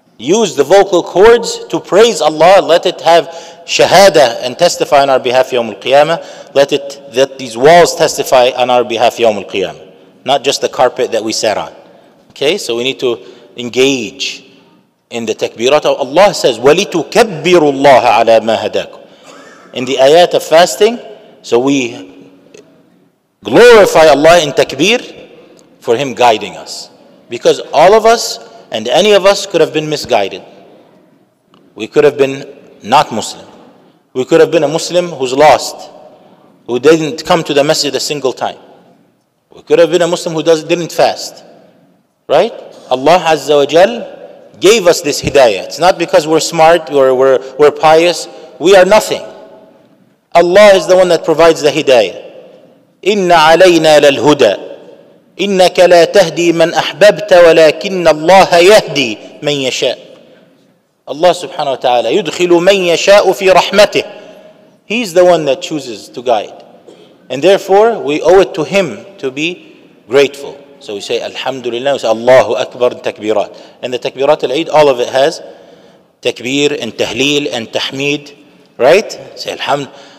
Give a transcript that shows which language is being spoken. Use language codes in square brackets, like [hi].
[en] Use the vocal cords to praise Allah. Let it have shahada and testify on our behalf yawm al-qiyamah. Let these walls testify on our behalf yawm al-qiyamah. Not just the carpet that we sat on. Okay, so we need to engage in the takbirat. [ar] Allah says, وَلِتُكَبِّرُ اللَّهَ عَلَى مَا هَدَاكُمْ. [en] In the ayat of fasting, so we glorify Allah in takbir for Him guiding us. Because all of us, and any of us, could have been misguided. We could have been not Muslim. We could have been a Muslim who's lost, who didn't come to the masjid a single time. We could have been a Muslim who didn't fast. Right? Allah Azza wa Jal gave us this hidayah. It's not because we're smart or we're pious. We are nothing. Allah is the one that provides the hidayah. [ar] Inna alayna lal huda. إِنَّكَ لَا تَهْدِي مَنْ أَحْبَبْتَ وَلَكِنَّ اللَّهَ يَهْدِي مَنْ يَشَاءُ. Allah subhanahu wa ta'ala يُدْخِلُ مَنْ يَشَاءُ فِي رَحْمَتِهِ. [en] He's the one that chooses to guide. And therefore, we owe it to Him to be grateful. So we say, Alhamdulillah, we say, Allahu Akbar, and takbirat. And the takbirat al-Eid, all of it has takbir and tahleel and tahmeed, right? Say, Alhamdulillah.